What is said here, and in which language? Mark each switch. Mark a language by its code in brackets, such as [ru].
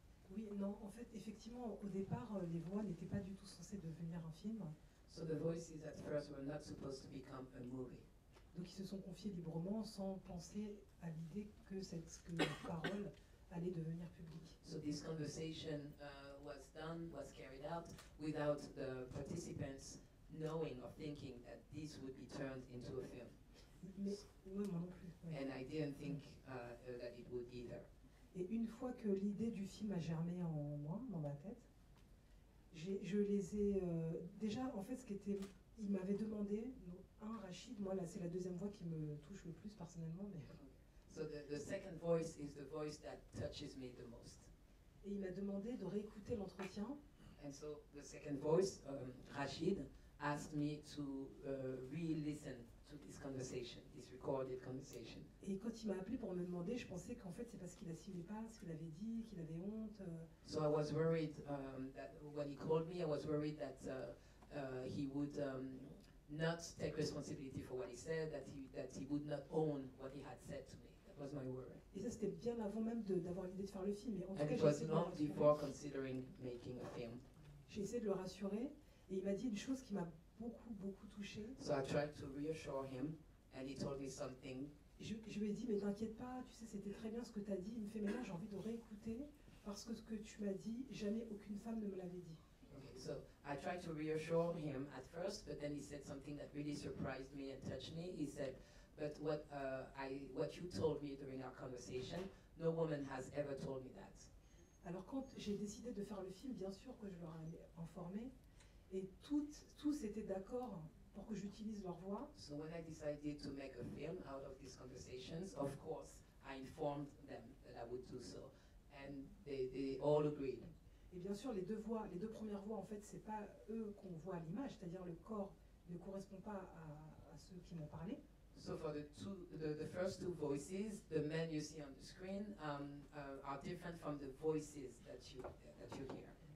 [fr] Oui, non, en fait, effectivement, au départ, les voix n'étaient pas du tout censées devenir un film. [en] So the voices at first were not supposed to become a movie. [fr] Donc ils se sont confiés librement sans penser à l'idée que cette parole allait devenir publique. [en] So this conversation was done, was carried out without the participants knowing or thinking that this would be turned into a film. [fr] Mais moi non plus. [en] And I didn't think that it would either. [fr] Et une fois que l'idée du film a germé en moi, dans ma tête, je les ai déjà, en fait, ce qui était, ils m'avaient demandé, un Rachid, moi là, c'est la deuxième voix qui me touche le plus personnellement, mais. [en] So the second voice is the voice that touches me the most. [fr] Et il m'a demandé de réécouter l'entretien. [en] And so the second voice, Rachid, asked me to re-listen to this conversation, this recorded conversation. [fr] Et quand il m'a appelé pour me demander, je pensais qu'en fait c'est parce qu'il assimilait pas ce qu'il avait dit, qu'il avait honte. [en] So I was worried that when he called me, I was worried that he would not take responsibility for what he said, that he would not own what he had said to me. That was my worry. [fr] Et ça c'était bien avant même d'avoir l'idée de faire le film. Et en [en] And [fr] tout [en] it [fr] cas, [en] was long before considering making a film. [fr] J'ai essayé de le rassurer et il m'a dit une chose qui m'a beaucoup touché. [en] So I tried to reassure him and he told me something. [fr] Je lui ai dit, mais t'inquiète pas, tu sais, c'était très bien ce que tu as dit. Il me fait, mais là, j'ai envie de réécouter parce que ce que tu m'as dit, jamais aucune femme ne me l'avait dit. [en] Okay, so I tried to reassure him at first, but then he said something that really surprised me and touched me. He said, but what you told me during our conversation, no woman has ever told me that. [fr] Alors quand j'ai décidé de faire le film, bien sûr que je leur ai informé, et tous étaient d'accord pour que j'utilise leur voix. [en] So when I decided to make a film out of these conversations, of course, I informed them that I would do so, and they all agreed. [fr] Et bien sûr, les deux premières voix, en fait, c'est pas eux qu'on voit à l'image, c'est-à-dire le corps ne correspond pas à ceux qui m'ont parlé. [en] So for the first two voices, the men you see on the screen are different from the voices that you hear.